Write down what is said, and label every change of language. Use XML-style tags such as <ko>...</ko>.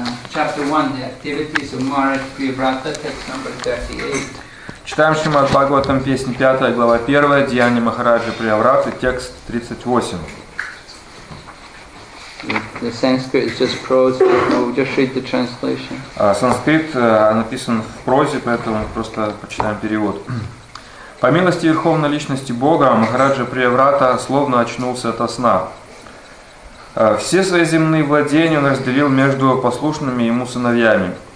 <en>chapter 1, the activities of Maharaj Priyavrata, text number 38.</en> <ru>Читаем Шримад Бхагаватам, песня 5, глава 1, Деяния Махараджа Приявраты, текст 38.</ru> <en>The Sanskrit is just prose, so we'll just read the translation.</en> <ru>Санскрит написан в прозе, поэтому просто почитаем перевод. По милости Верховной Личности Бога, Махараджа Приявраты словно очнулся ото сна. Все свои земные владения он разделил между послушными ему сыновьями.</ru>